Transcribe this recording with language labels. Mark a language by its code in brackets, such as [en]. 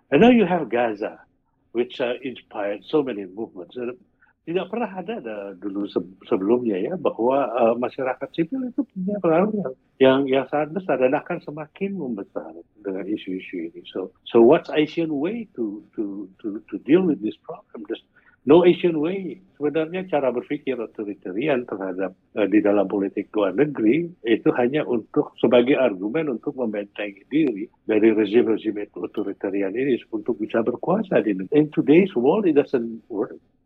[en] And now you have Gaza, which inspired so many movements. [id] Tidak pernah ada dulu sebelumnya ya, bahwa masyarakat sipil itu punya pengaruh yang sangat besar dan akan semakin membesar dengan isu-isu ini. [en] So what's Asian way to deal with this problem? There's no Asian way. [id] Sebenarnya cara berpikir otoritarian terhadap di dalam politik luar negeri itu hanya untuk sebagai argumen untuk membentengi diri dari rezim-rezim otoritarian ini untuk bisa berkuasa di negeri. [en] In today's world, it doesn't work.